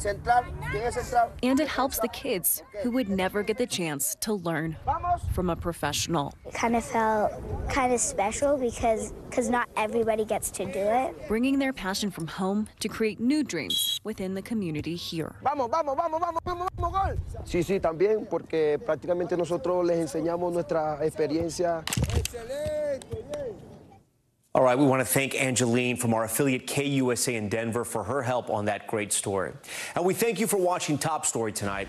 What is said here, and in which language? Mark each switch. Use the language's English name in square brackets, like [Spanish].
[English] And it helps the kids who would never get the chance to learn from a professional. It kind of felt kind of special because not everybody gets to do it. Bringing their passion from home to create new dreams within the community here. [Spanish] Sí, sí, también, porque prácticamente nosotros les enseñamos nuestra experiencia. [English] All right, we want to thank Angeline from our affiliate KUSA in Denver for her help on that great story. And we thank you for watching Top Story tonight.